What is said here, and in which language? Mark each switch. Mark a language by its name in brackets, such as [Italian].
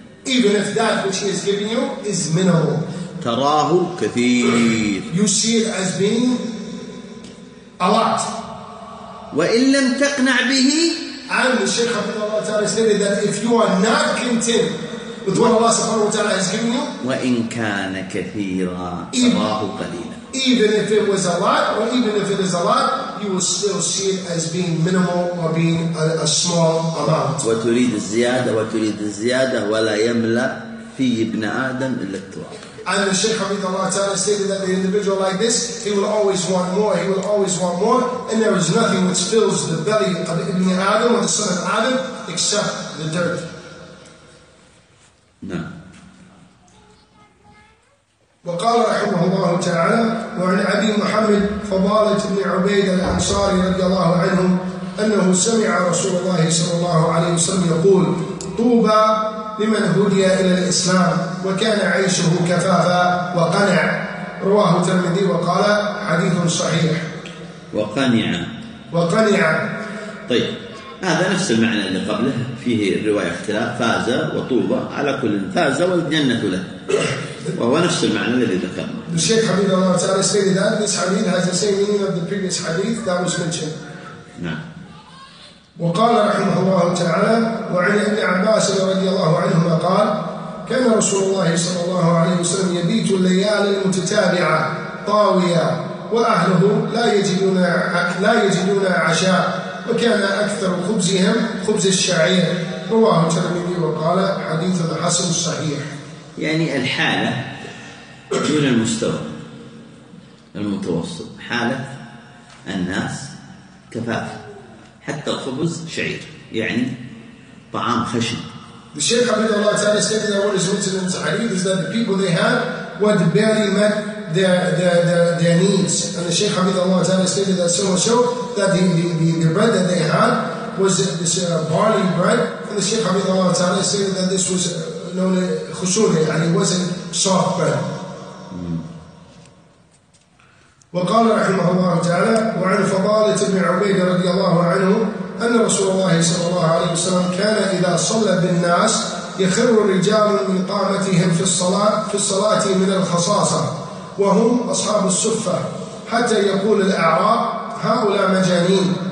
[English] Even if that which He has given you is minimal. [Arabic] تراه كثير. [English] You see it as being a lot. [Arabic] وإن لم تقنع به. [English] And the Shaykh Habib Allah Ta'ala stated that if you are not content with what Allah Subhanahu wa Ta'ala has given you. [Arabic] وإن كان كثيرا تراه قليلا. [English] Even if it was a lot, or even if it is a lot, you will still see it as being minimal or being a small amount. [Arabic] وتريد الزيادة وتريد الزيادة ولا يملأ في ابن آدم إلا التراب. [English] And the Shaykh Habib Allah Ta'ala stated that the individual like this, he will always want more, he will always want more, and there is nothing which fills the belly of Ibn Adam or the son of Adam except the dirt. No. [Arabic] وقال رحمه الله تعالى وعن أبي محمد فضالة بن عبيد الأنصاري رضي الله عنهم أنه سمع رسول الله صلى الله عليه وسلم يقول طوبى لمن هدي إلى الإسلام وكان عيشه كفافا وقنع رواه الترمذي وقال حديث صحيح. وقنع طيب هذا نفس المعنى اللي قبله فيه الرواية اختلاف فاز وطوبى على كل فاز والجنة له وهو نفس المعنى الذي ذكرنا. الشيخ حبيب الله تعالى [English] said that this hadith has the same meaning of the previous hadith that was mentioned. [Arabic] نعم. وقال رحمه الله تعالى وعن ابن عباس رضي الله عنهما قال كان رسول الله صلى الله عليه وسلم يبيت الليالي المتتابعة طاوية وأهله لا يجدون عشاء، وكان أكثر خبزهم خبز الشعير. رواه الترمذي وقال حديث الحسن الصحيح. يعني الحالة دون المستوى المتوسط، حالة الناس كفاف، حتى الخبز شعير يعني طعام خشن. [English] The Shaykh Abid Allah Ta'ala said in our written in the Hadith is that the people they had would barely met their needs. And the Shaykh Abid Allah Ta'ala stated that so that the bread that they had was this barley bread. And the Shaykh Abid Allah Ta'ala stated that this was known as khusuri, and it wasn't soft bread. [Arabic] وقال رحمه الله تعالى وعن فضالة بن عبيد رضي الله عنه أن رسول الله صلى الله عليه وسلم كان إذا صلى بالناس يخر الرجال من قامتهم في الصلاة من الخصاصة وهم أصحاب الصفة حتى يقول الأعراب هؤلاء مجانين.